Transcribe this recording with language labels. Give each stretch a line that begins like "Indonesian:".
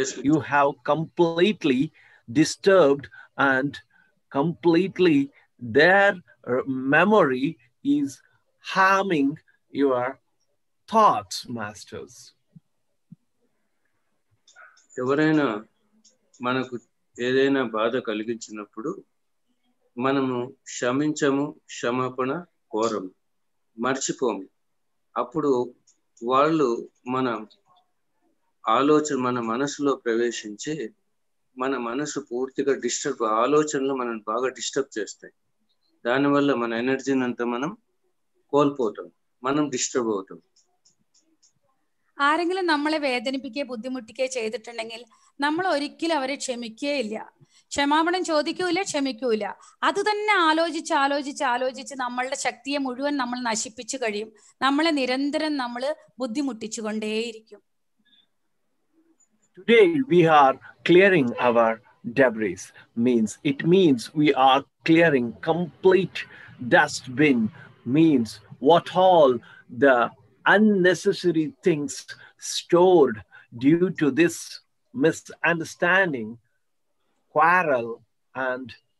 English: you have completely disturbed and completely their memory is harming your thoughts, masters.
Telugu: ఎవరైనా మనకు ఏదైనా బాధ కలిగించినప్పుడు మనము క్షమించము, క్షమాపణ కోరము, మర్చిపోము. అప్పుడు వాళ్ళు మన ఆలోచన మన మనసులో ప్రవేశించి మన మనసు పూర్తిగా డిస్టర్బ్, ఆలోచనలు మనల్ని బాగా డిస్టర్బ్ చేస్తాయి. దానివల్ల మన ఎనర్జీని అంతా మనం కోల్పోతాం, మనం డిస్టర్బ్ అవుతాం.
Malayalam: ആരെങ്കിലും നമ്മളെ വേദനിപ്പിക്കുകയോ ബുദ്ധിമുട്ടിക്കുകയോ ചെയ്തിട്ടുണ്ടെങ്കിൽ നമ്മൾ ഒരിക്കലും അവരെ ക്ഷമിക്കുകയില്ല, ക്ഷമാപണം ചോദിക്കൂല, ക്ഷമിക്കൂല. അത് തന്നെ ആലോചിച്ച് ആലോചിച്ച് ആലോചിച്ച് നമ്മളുടെ ശക്തിയെ മുഴുവൻ നമ്മൾ നശിപ്പിച്ചു കഴിയും. നമ്മളെ നിരന്തരം നമ്മൾ ബുദ്ധിമുട്ടിച്ചുകൊണ്ടേയിരിക്കും.
English: Today we are clearing our debris. Means it means we are clearing complete dustbin. Means what all the unnecessary things stored due to this misunderstanding, quarrel, and